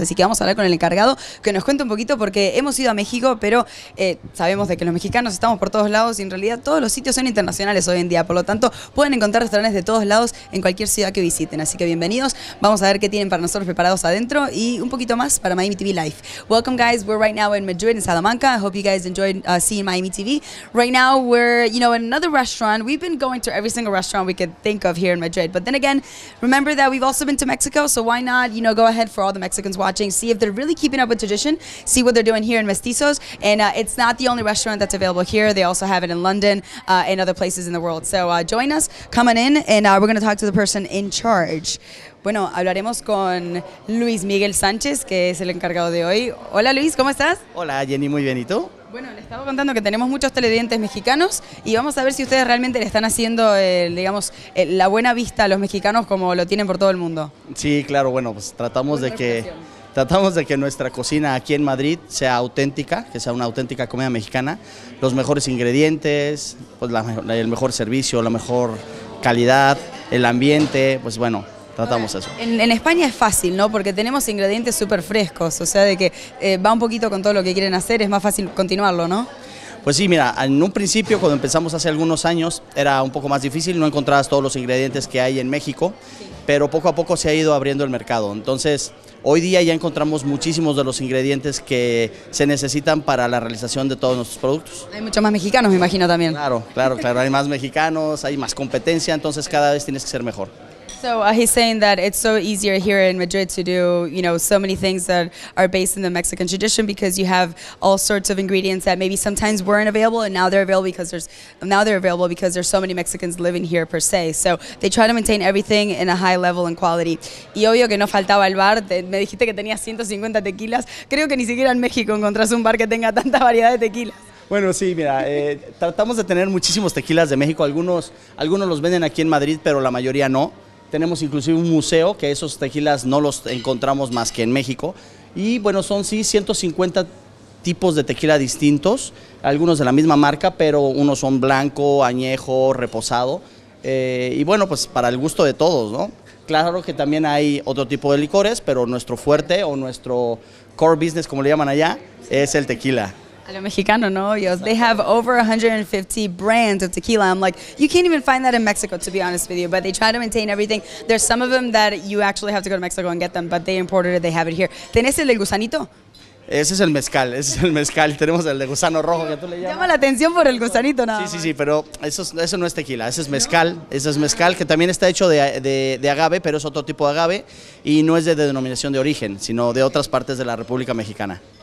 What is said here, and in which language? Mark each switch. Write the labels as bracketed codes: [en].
[es] Así que vamos a hablar con el encargado que nos cuente un poquito, porque hemos ido a México, pero sabemos de que los mexicanos estamos por todos lados y en realidad todos los sitios son internacionales hoy en día. Por lo tanto, pueden encontrar restaurantes de todos lados en cualquier ciudad que visiten. Así que bienvenidos. Vamos a ver qué tienen para nosotros preparados adentro y un poquito más para Miami TV Live. [en] Welcome, guys. We're right now in Madrid, in Salamanca. I hope you guys enjoyed seeing Miami TV. Right now we're, you know, in another restaurant. We've been going to every single restaurant we could think of here in Madrid, but then again, remember that we've also been to Mexico, so why not, you know, go ahead for all the Mexicans watching, see if they're really keeping up with tradition, see what they're doing here in Mestizos. And it's not the only restaurant that's available here. They also have it in London and other places in the world. So join us, come on in, and we're going to talk to the person in charge. [es] Bueno, hablaremos con Luis Miguel Sánchez, que es el encargado de hoy. Hola, Luis, ¿cómo estás? Hola, Jenny, muy bien, ¿y tú? Bueno, le estaba contando que tenemos muchos televidentes mexicanos y vamos a ver si ustedes realmente le están haciendo, digamos, la buena vista a los mexicanos como lo tienen por todo el mundo. Sí, claro, bueno, pues tratamos de que nuestra cocina aquí en Madrid sea auténtica, que sea una auténtica comida mexicana, los mejores ingredientes, pues el mejor servicio, la mejor calidad, el ambiente, pues bueno. Tratamos eso. En España es fácil, ¿no? Porque tenemos ingredientes súper frescos, o sea, de que va un poquito con todo lo que quieren hacer, es más fácil continuarlo, ¿no? Pues sí, mira, en un principio, cuando empezamos hace algunos años, era un poco más difícil, no encontrabas todos los ingredientes que hay en México, sí. Pero poco a poco se ha ido abriendo el mercado. Entonces, hoy día ya encontramos muchísimos de los ingredientes que se necesitan para la realización de todos nuestros productos. Hay muchos más mexicanos, me imagino, también. Claro, claro, claro, hay más mexicanos, hay más competencia, entonces cada vez tienes que ser mejor. [en] So he's saying that it's so easier here in Madrid to do, you know, so many things that are based in the Mexican tradition because you have all sorts of ingredients that maybe sometimes weren't available and now they're available because there's so many Mexicans living here per se. So they try to maintain everything in a high level and quality. [es] Y obvio que no faltaba el bar. Me dijiste que tenía 150 tequilas. Creo que ni siquiera en México encontrás un bar que tenga tanta variedad de tequilas. Bueno, sí, mira, tratamos de tener muchísimos tequilas de México. Algunos los venden aquí en Madrid, pero la mayoría no. Tenemos inclusive un museo que esos tequilas no los encontramos más que en México. Y bueno, son sí 150 tipos de tequila distintos, algunos de la misma marca, pero unos son blanco, añejo, reposado. Y bueno, pues para el gusto de todos, ¿no? Claro que también hay otro tipo de licores, pero nuestro fuerte o nuestro core business, como le llaman allá, es el tequila. A lo mexicano, ¿no? [en] They have over 150 brands of tequila. I'm like, you can't even find that in Mexico, to be honest with you. But they try to maintain everything. There's some of them that you actually have to go to Mexico and get them, but they imported it, they have it here. [es] ¿Tenés el del gusanito? Ese es el mezcal. Tenemos el de gusano rojo, que tú le llamas. Llama la atención por el gusanito, nada. Sí, pero eso no es tequila, ese es mezcal. ¿No? Ese es mezcal, que también está hecho de agave, pero es otro tipo de agave. Y no es de denominación de origen, sino de otras partes de la República Mexicana.